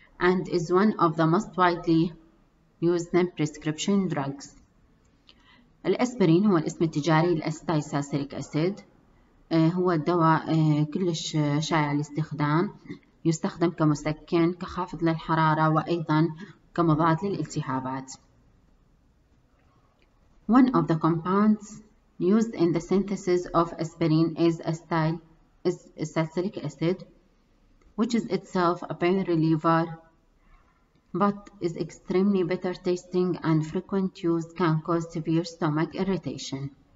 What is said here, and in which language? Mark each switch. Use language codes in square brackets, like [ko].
[en] And is one of the most widely used prescription drugs. [ar] الأسبرين هو الاسم التجاري للأسيتيلسالسيليك أسيد، هو الدواء كلش شائع الاستخدام، يستخدم كمسكن، كخافض للحرارة، وأيضا كمضاد للالتهابات. [en] One of the compounds used in the synthesis of aspirin is acetylsalicylic acid, which is itself a pain reliever. But is extremely bitter tasting and frequent use can cause severe stomach irritation.